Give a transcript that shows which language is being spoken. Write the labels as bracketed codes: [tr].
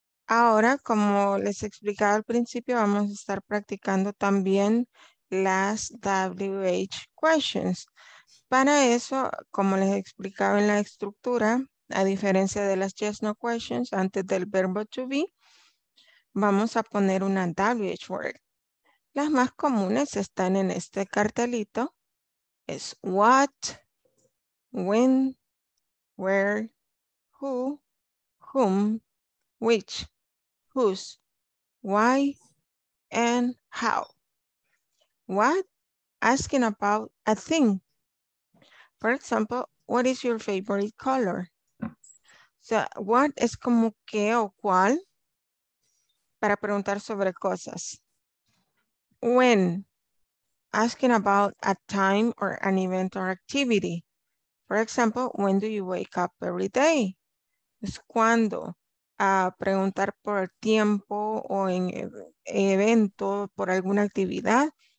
[es] Ahora, como les explicaba al principio, vamos a estar practicando también las WH questions. Para eso, como les explicaba en la estructura, a diferencia de las yes no questions, antes del verbo to be, vamos a poner una WH word. Las más comunes están en este cartelito. [en] Es what, when, where, who, whom, which, whose, why, and how. What? Asking about a thing. For example, what is your favorite color? [es] So, what es como qué o cuál para preguntar sobre cosas. [en] When, asking about a time or an event or activity. For example, when do you wake up every day? [es] Es cuando, preguntar por el tiempo o en evento, por alguna actividad.